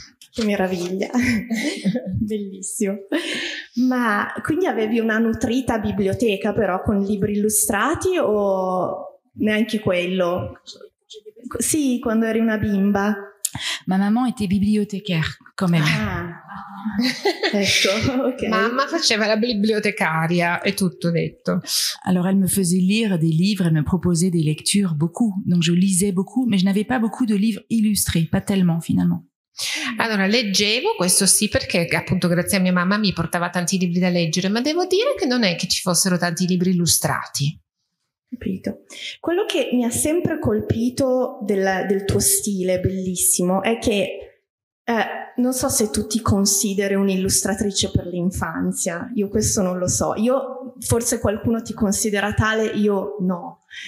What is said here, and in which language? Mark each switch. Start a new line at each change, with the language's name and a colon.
Italian: Che meraviglia, bellissimo. Ma quindi avevi una nutrita biblioteca però con libri illustrati o neanche quello? Sì, quando eri una bimba.
French: Ma mamma était bibliothécaire,
Italian: come me. Ecco, ok. Mamma faceva la bibliotecaria, è tutto detto.
French: Alors elle me faisait lire des livres, elle me proposait des lectures, beaucoup. Donc je lisais beaucoup, mais je n'avais pas beaucoup de livres illustrés, pas tellement finalement.
Italian: Allora, leggevo, questo sì, perché appunto grazie a mia mamma mi portava tanti libri da leggere, ma devo dire che non è che ci fossero tanti libri illustrati. Capito. Quello che mi ha sempre colpito del tuo stile bellissimo è che non so se tu ti consideri un'illustratrice per l'infanzia, io questo non lo so, io forse qualcuno ti considera tale, io no.